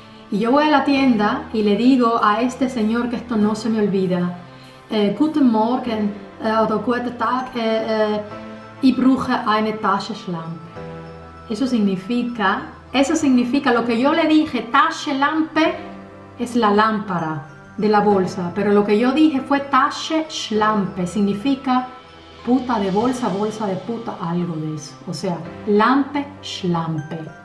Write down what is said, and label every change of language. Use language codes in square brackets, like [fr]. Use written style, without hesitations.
[es] Y yo voy a la tienda y le digo a este señor que esto no se me olvida. [de] Guten Morgen, oder guten Tag, ich brauche eine Taschenlampe. [es] Eso significa lo que yo le dije, Taschenlampe, es la lámpara de la bolsa, pero lo que yo dije fue Tasche Schlampe, significa puta de bolsa, bolsa de puta, algo de eso, o sea, Lampe Schlampe.